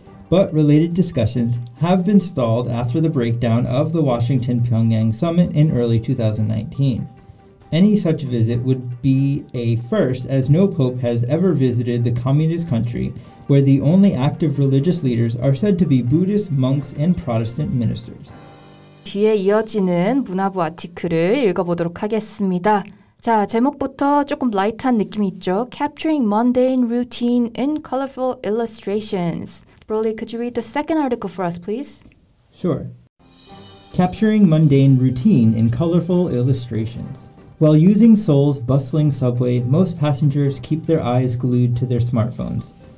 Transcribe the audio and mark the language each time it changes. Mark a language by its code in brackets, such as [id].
[en] But related discussions have been stalled after the breakdown of the Washington-Pyongyang summit in early 2019. Any such visit would be a first, as no pope has ever visited the communist country, where the only active religious leaders are said to be Buddhist monks and Protestant ministers. [ko] 뒤에 이어지는 문화부 아티클을 읽어보도록 하겠습니다. 자, 제목부터 조금 라이트한 느낌이 있죠? [en] Capturing mundane routine in colorful illustrations. Broly, could you read the second article for us, please? Sure. Capturing mundane routine in colorful illustrations. While using Seoul's bustling subway, most passengers keep their eyes glued to their smartphones.